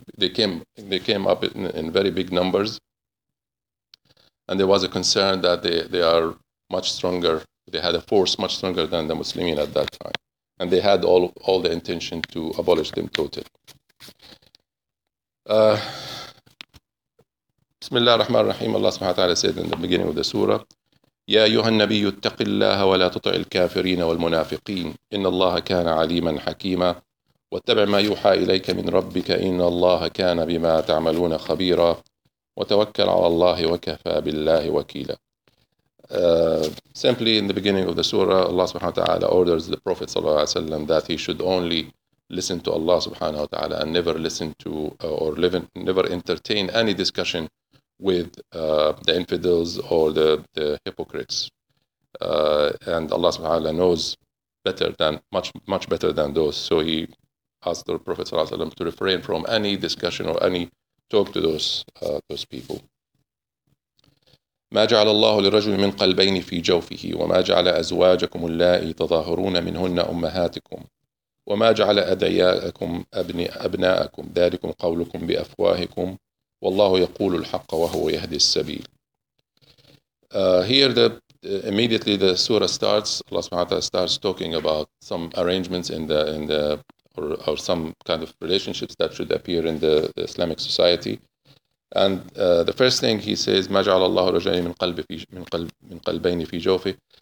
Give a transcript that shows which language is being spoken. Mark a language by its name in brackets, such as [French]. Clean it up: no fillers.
[English] They came up in very big numbers, and there was a concern that they are much stronger. They had a force much stronger than the Muslimin at that time, and they had all the intention to abolish them totally. Bismillah ar-Rahman ar-Rahim. Allah subhanahu wa ta'ala said in the beginning of the surah, [Arabic] يَا أَيُّهَا النَّبِيُّ اتَّقِ اللَّهَ وَلَا تُطِعِ الْكَافِرِينَ وَالْمُنَافِقِينَ إِنَّ اللَّهَ كَانَ عَلِيمًا حَكِيمًا واتبع ما يوحى إليك من ربك إن الله كان بما تعملون خبيرا وتوكل على الله وكفى بالله وكيلا. [English] Simply in the beginning of the surah, Allah subhanahu wa ta'ala orders the Prophet sallallahu alaihi wasallam that he should only listen to Allah subhanahu wa ta'ala and never listen to never entertain any discussion with the infidels or the hypocrites. And Allah subhanahu wa ta'ala knows better than, much better than those. So he asked the Prophet Sallallahu Alaihi Wasallam to refrain from any discussion or any talk to those people. [Arabic] ما جعل الله لرجل من قلبين في جوفه وما جعل أزواجكم اللائي تظاهرون منهن أمهاتكم وما جعل أدعياءكم أبناءكم ذلكم قولكم بأفواهكم والله يقول الحق وهو يهدي السبيل. [English] Here immediately the surah starts. Allah Subhanahu wa Taala starts talking about some arrangements or some kind of relationships that should appear in the Islamic society. And the first thing he says, [Arabic] ما جعل الله رجلا من قلبين في جوفه.